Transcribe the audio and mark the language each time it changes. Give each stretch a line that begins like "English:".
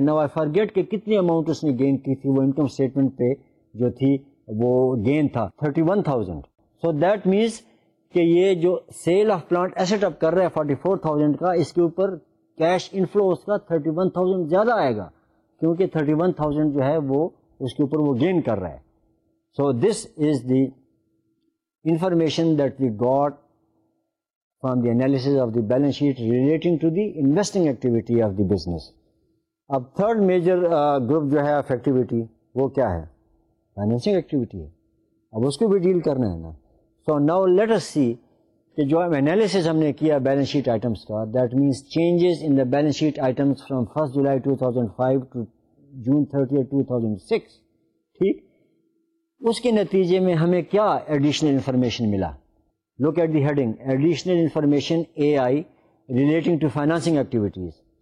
English: now I forget
Urdu: کہ کتنی amount اس نے گین کی تھی, وہ انکم اسٹیٹمنٹ پہ جو تھی وہ گین تھا 31,000. سو دیٹ مینس کہ یہ جو سیل آف پلانٹ ایسٹ اب کر رہا ہے 44,000 کا, اس کے اوپر کیش ان فلو اس کا 31,000 زیادہ آئے گا, کیونکہ 31,000 جو ہے وہ اس کے اوپر وہ گین کر رہا ہے.
English: So this is the information that we got from the analysis of the balance sheet relating to the investing activity of the business.
Urdu: اب تھرڈ میجر گروپ جو ہے آف ایکٹیویٹی وہ کیا ہے؟ فائنینسنگ ایکٹیویٹی ہے. اب اس کو بھی ڈیل کرنا ہے نا.
English: so now let us see
Urdu: کہ جو انالیسز ہم نے کیا بیلنس شیٹ آئٹمس کا, that means changes in the balance sheet items from 1 July 2005 to June 30, 2006, ٹھیک, اس کے نتیجے میں ہمیں کیا ایڈیشنل انفارمیشن ملا؟
English: Look at the heading, Additional Information AI Relating to Financing Activities.